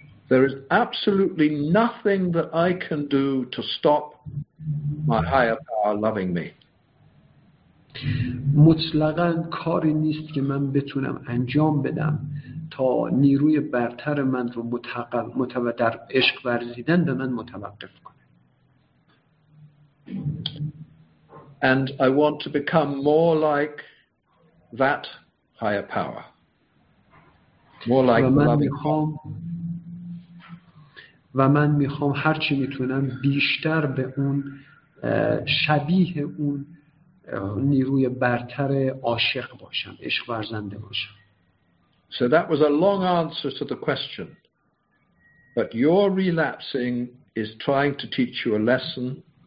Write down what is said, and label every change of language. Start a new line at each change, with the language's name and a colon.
English: There is absolutely nothing that I can do to stop my higher power loving me.
Persian: مطلقاً کاری نیست که من بتونم انجام بدم تا نیروی برتر من رو در عشق ورزیدن به من متوقف کنه.
English: And I want to become more like that higher power. More like the loving God.
Persian: و من میخوام هرچی میتونم بیشتر به اون شبیه اون نیروی برتر عاشق باشم، عشق ورزنده باشم.
English: So that was a long answer to the question. But your relapsing is trying to teach you a lesson.